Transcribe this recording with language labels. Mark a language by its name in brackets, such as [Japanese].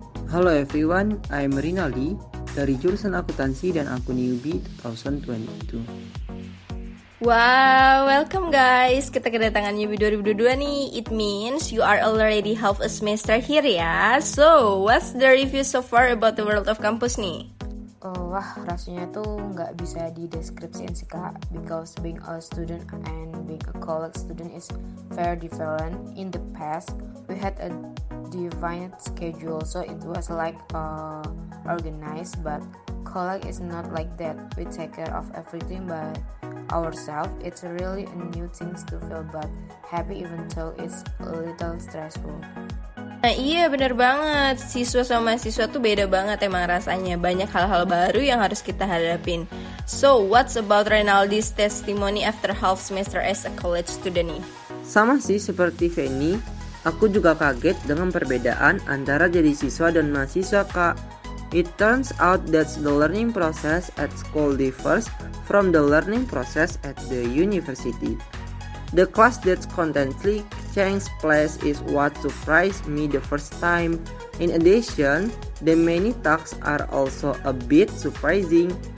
[English] Hello everyone, I'm Rinaldi [Indonesian] dari jurusan akuntansi dan aku newbie 2022. [English] Wow, welcome guys. [Indonesian] Kita kedatangan newbie 2022 nih. [English] It means you are already half a semester here ya. So, what's the review so far about the world of campus nih? [Indonesian] Wah, rasanya tuh nggak bisa dideskripsiin sih kak, [English] because being a student and being a college student is very different. In the past, we had a defined schedule, so it was like organized, but college is not like that. We take care of everything by ourselves. It's really a new thing to feel, but happy even though it's a little stressful. [Indonesian] Nah iya benar banget, siswa sama mahasiswa tuh beda banget emang rasanya. Banyak hal-hal baru yang harus kita hadapin. [English] So, what's about Rinaldi's testimony after half semester as a college student nih? [Indonesian] Sama sih seperti Feni, aku juga kaget dengan perbedaan antara jadi siswa dan mahasiswa kak. [English] It turns out that the learning process at school differs from the learning process at the university. The class that constantly changes place is what surprised me the first time. In addition, the many talks are also a bit surprising.